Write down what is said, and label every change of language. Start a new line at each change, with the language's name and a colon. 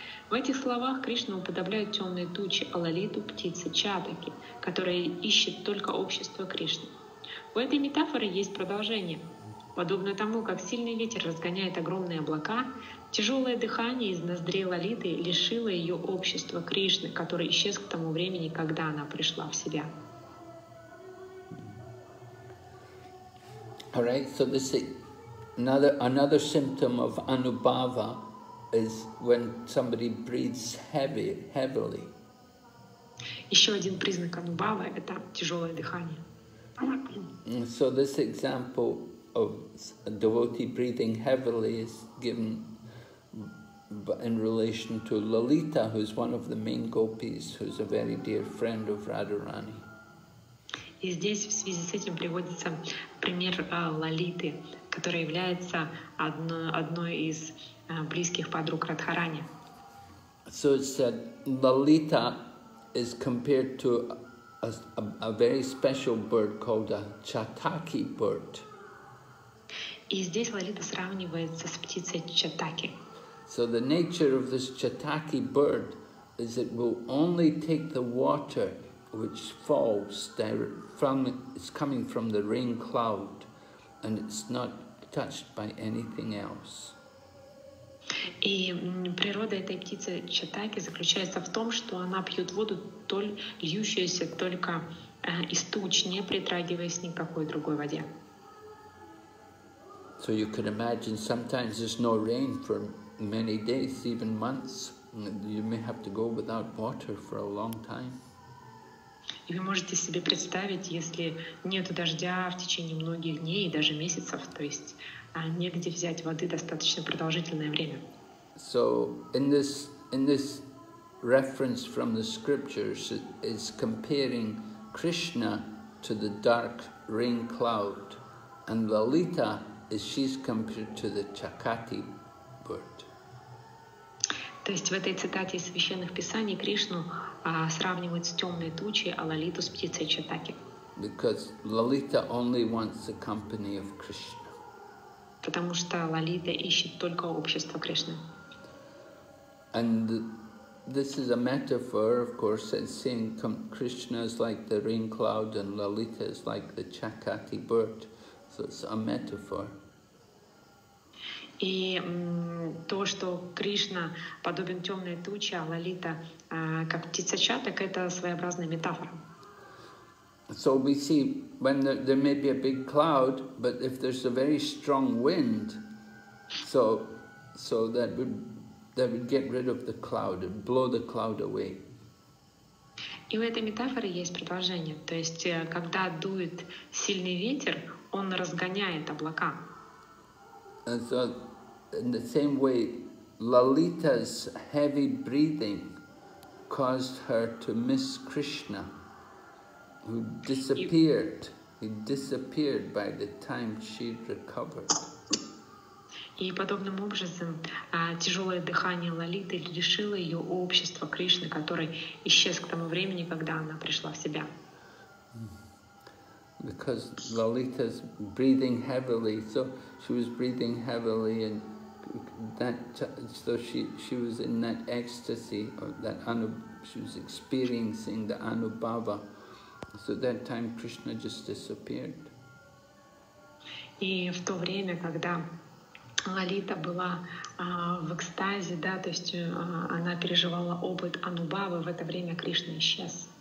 Russian: В этих словах Кришна уподобляет темные тучи, а Лалиту – птице Чатаки, которая ищет только общество Кришны. У этой метафоры есть продолжение. Подобно тому, как сильный ветер разгоняет огромные облака, тяжелое дыхание из ноздрей Лалиты лишило ее общества Кришны, который исчез к тому времени, когда она пришла в себя.
English: All right, so this is another symptom of anubhava is when somebody breathes heavily.
Russian: Еще один признак анубхавы – это тяжелое дыхание.
English: So this example of a devotee breathing heavily is given in relation to Lalita, who is one of the main gopis, who is a very dear friend of Radharani.
Russian: И здесь в связи с этим приводится пример Лалиты, которая является одной из близких подруг Радхарани.
English: So it said Lalita is compared to a very special bird called a Chataki bird.
Russian: И здесь Лалита сравнивается с птицей Чатаки.
English: So the nature of this Chataki bird is it will only take the water which falls from, it's coming from the rain cloud, and it's not touched by anything else.
Russian: И природа этой птицы Чатаки заключается в том, что она пьет воду, льющуюся только из туч, не притрагиваясь ни к какой другой воде.
English: So you could imagine sometimes there's no rain for many days, even months. You may have to go without water for a long time.
Russian: И вы можете себе представить, если нету дождя в течение многих дней и даже месяцев, то есть негде взять воды достаточно продолжительное время.
English: So in this reference from the scriptures is comparing Krishna to the dark rain cloud, and Lalita is she's compared to the Chakati bird.
Russian: То есть в этой цитате из священных писаний Кришну сравнивают с темной тучей, а Лалиту с птицей Чатаки.
English: Because Lalita only wants the company of Krishna.
Russian: Потому что Лалита ищет только общество Кришны.
English: And this is a metaphor, of course, and seeing Krishna is like the rain cloud and Lalita is like the Chakati bird. So it's a metaphor.
Russian: И то, что Кришна подобен темной туче, а Лалита как птица чаток, это своеобразная метафора.
English: So we see when there may be a big cloud, but if there's a very strong wind, so that would get rid of the cloud and blow the cloud away.
Russian: И у этой метафоры есть продолжение. То есть, когда дует сильный ветер, он разгоняет облака.
English: And so, in the same way, Lalita's heavy breathing caused her to miss Krishna, who disappeared. He disappeared by the time she recovered.
Russian: И подобным образом тяжелое дыхание Лолиты лишило ее общества Кришны, который исчез к тому времени, когда она пришла в себя.
English: Because Lolita's breathing heavily, so she was breathing heavily, and she was in that ecstasy, or that she was experiencing the anubhava. So that time Krishna just disappeared.
Russian: И в то время, когда Лолита была в экстазе, да, то есть она переживала опыт анубавы, в это время Кришна исчез.